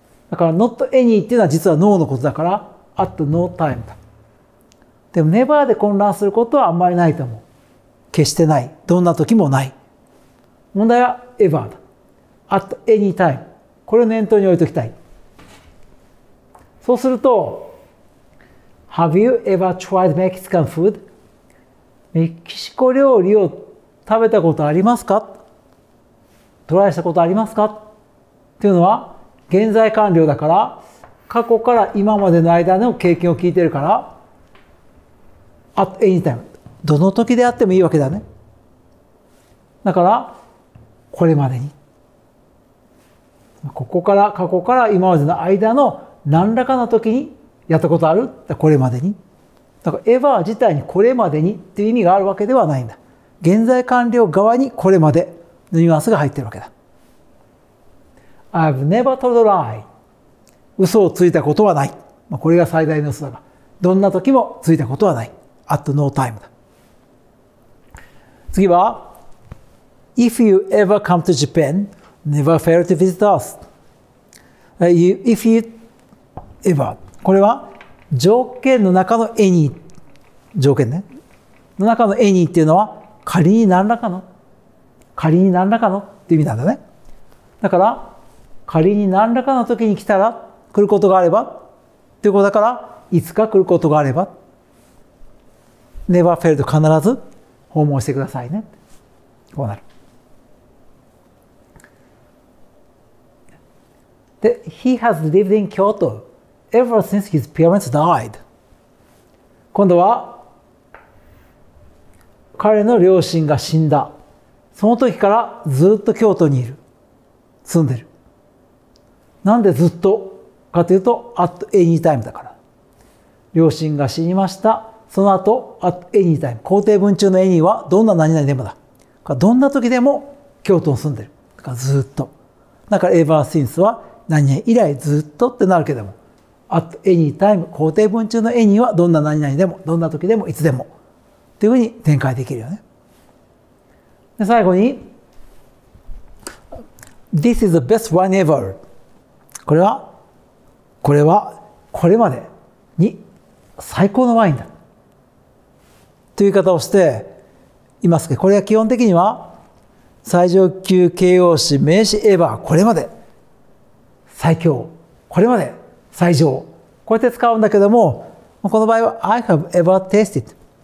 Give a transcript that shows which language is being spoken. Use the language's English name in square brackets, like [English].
[Japanese] だから [English] not any [Japanese] っていうのは実は no のことだから [English] at no time [Japanese] だ。でも never で混乱することはあんまりないと思う。決してない。どんな時もない。問題は ever だ。 [English] at any time。 [Japanese] これを念頭に置いときたい。そうすると、 [English] Have you ever tried Mexican food? [Japanese] メキシコ料理を食べたことありますか？トライしたことありますか？っていうのは、現在完了だから、過去から今までの間の経験を聞いてるから、 [English] at any time。 [Japanese] どの時であってもいいわけだね。だから、これまでに。ここから、過去から今までの間の何らかの時にやったことある？これまでに。だから、ever自体にこれまでにっていう意味があるわけではないんだ。現在完了側にこれまでのニュアンスが入ってるわけだ。 [English] I've never told a lie. [Japanese] 嘘をついたことはない。まあ、これが最大の嘘だが、どんな時もついたことはない。 [English] at no time だ。 [Japanese] 次は、 [English] If you ever come to Japan, never fail to visit us. If you ever. [Japanese] これは条件の中の any。条件ね。の中の any っていうのは仮に何らかの。仮に何らかのっていう意味なんだね。だから仮に何らかの時に来たら来ることがあればっていうことだから、いつか来ることがあれば。 [English] never fail [Japanese] と必ず訪問してくださいね。こうなる。 [English] で、He has lived in Kyoto ever since his parents died. [Japanese] 今度は、彼の両親が死んだ。その時からずっと京都にいる。住んでる。なんでずっとかというと、 [English] at any time [Japanese] だから。両親が死にました。その後、 [English] at any time。 [Japanese] 肯定文中の any はどんな何々でもだ。どんな時でも京都に住んでる。だからずっと。だから ever since は、何々以来ずっとってなるけども、 [English] at any time、 [Japanese] 肯定文中の any はどんな何々でも、どんな時でも、いつでも、っていうふうに展開できるよね。で、最後に、 [English] This is the best one ever. [Japanese] これは、これまでに最高のワインだ。という言い方をしていますけど、これは基本的には、最上級形容詞、名詞 ever、これまで。最強、これまで、最上、こうやって使うんだけども、この場合は、 [English] I have ever tasted.